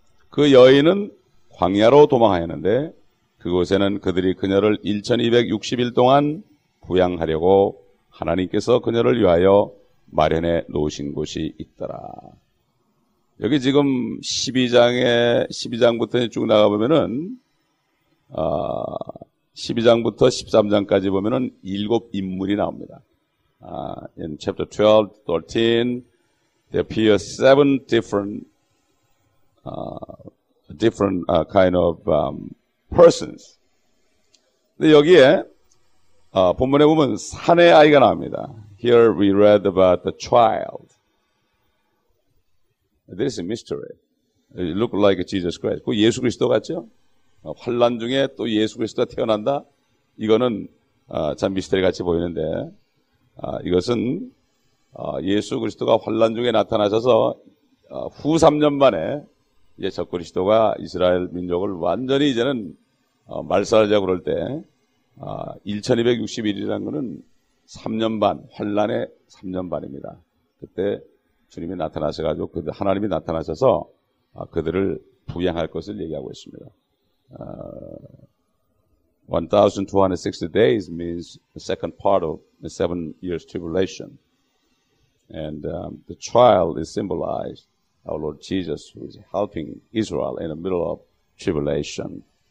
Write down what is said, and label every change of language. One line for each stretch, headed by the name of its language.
Korean: 그 여인은 광야로 도망하였는데 그곳에는 그들이 그녀를 1260일 동안 부양하려고 하나님께서 그녀를 위하여 마련해 놓으신 곳이 있더라. 여기 지금 12장부터 쭉 나가보면은, 12장부터 13장까지 보면은 일곱 인물이 나옵니다.
English: In chapter 12, 13, there appear seven different kind of persons.
Korean: 근데 여기에, 본문에 보면 산의 아이가 나옵니다.
English: Here we read about the child. This is a mystery. It looked like Jesus Christ.
Korean: 그 예수 그리스도 같죠? 환난 중에 또 예수 그리스도가 태어난다? 이거는 참 미스터리 같이 보이는데 이것은 예수 그리스도가 환난 중에 나타나셔서 후 3년 만에 이제 적 그리스도가 이스라엘 민족을 완전히 이제는 말살하자 그럴 때 1261이라는 거는 3년 반, 환난의 3년 반입니다. 그때 주님이 나타나셔가지고 하나님이 나타나셔서 그들을 부양할 것을 얘기하고 있습니다.
English: 1260 days means the second part of the 7 years tribulation. And the child is symbolized our Lord Jesus who is helping Israel in the middle of tribulation.